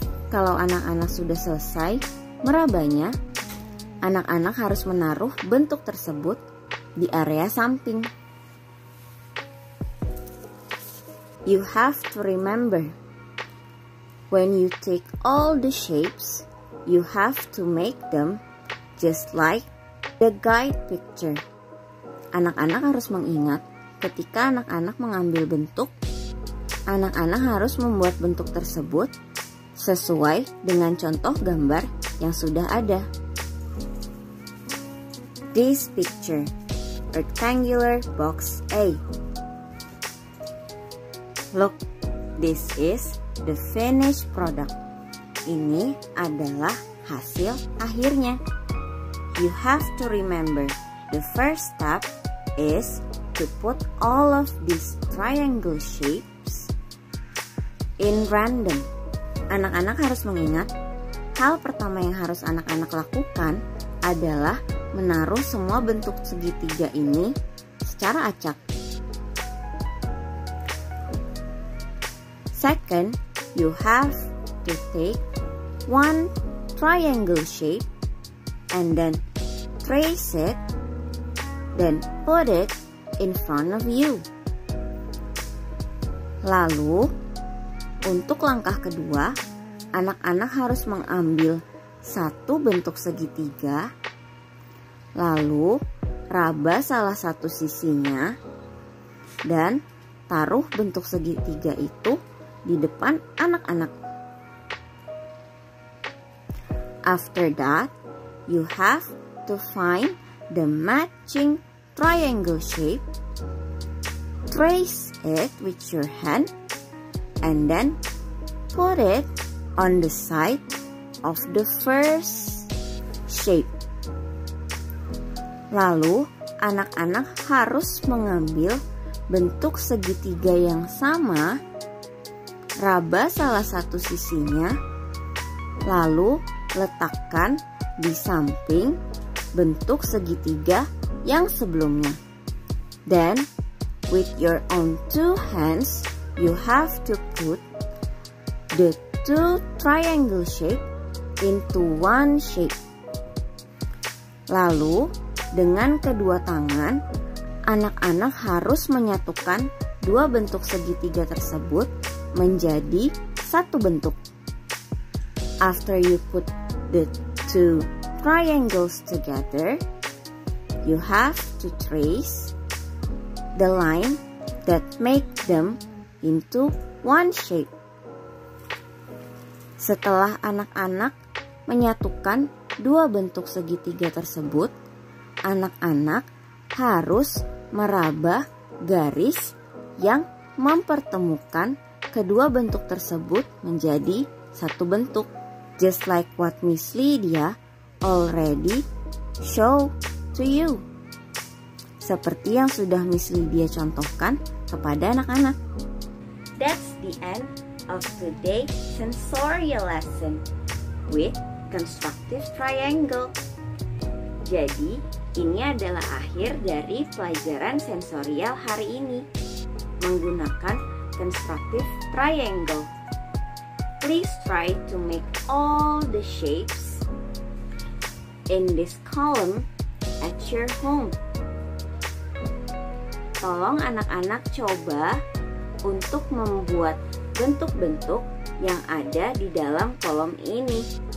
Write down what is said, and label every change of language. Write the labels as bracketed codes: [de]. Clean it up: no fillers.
[id] Kalau anak-anak sudah selesai merabanya, anak-anak harus menaruh bentuk tersebut di area samping. [en] You have to remember, when you take all the shapes, you have to make them just like the guide picture. [id] Anak-anak harus mengingat, ketika anak-anak mengambil bentuk, anak-anak harus membuat bentuk tersebut sesuai dengan contoh gambar yang sudah ada. [en] This picture, rectangular box A. Look, this is the finished product. [id] Ini adalah hasil akhirnya. [en] You have to remember, the first step is to put all of these triangle shapes in random. [id] Anak-anak harus mengingat, hal pertama yang harus anak-anak lakukan adalah menaruh semua bentuk segitiga ini secara acak. [en] Second, you have to take one triangle shape and then trace it, then put it in front of you. [id] Lalu, untuk langkah kedua, anak-anak harus mengambil satu bentuk segitiga, lalu raba salah satu sisinya, dan taruh bentuk segitiga itu di depan anak-anak. [en] After that, you have to find the matching triangle shape, trace it with your hand, and then put it on the side of the first shape. [id] Lalu, anak-anak harus mengambil bentuk segitiga yang sama, raba salah satu sisinya, lalu letakkan di samping bentuk segitiga yang sebelumnya. [en] Then, with your own two hands, you have to put the two triangle shape into one shape. [id] Lalu, dengan kedua tangan, anak-anak harus menyatukan dua bentuk segitiga tersebut menjadi satu bentuk. [en] After you put the two triangles together, you have to trace the line that make them into one shape. [id] Setelah anak-anak menyatukan dua bentuk segitiga tersebut, anak-anak harus meraba garis yang mempertemukan kedua bentuk tersebut menjadi satu bentuk, [en] just like what Miss Lydia already show to you. [id] Seperti yang sudah Miss Lydia contohkan kepada anak-anak. [en] That's the end of today's sensorial lesson with constructive triangle. [id] Jadi, ini adalah akhir dari pelajaran sensorial hari ini menggunakan constructive triangle. [en] Please try to make all the shapes in this column at your home. [id] Tolong anak-anak coba untuk membuat bentuk-bentuk yang ada di dalam kolom ini.